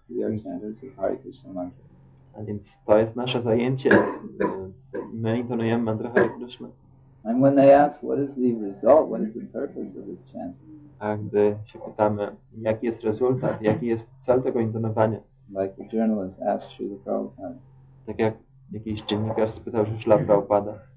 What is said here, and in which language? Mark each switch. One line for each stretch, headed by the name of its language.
English: We are chanters of Hare Krishna mantra.
Polish: A więc to jest nasze zajęcie. My intonujemy mantrę Hare Krishna.
English: And when they ask, what is the result, what is the purpose of this chant?
Polish: A gdy się pytamy, jaki jest rezultat, jaki jest cel tego intonowania?
English: Like the journalist asks Śrīla Prabhupāda.
Polish: Tak jak jakiś dziennikarz spytał się Śrīla Prabhupāda.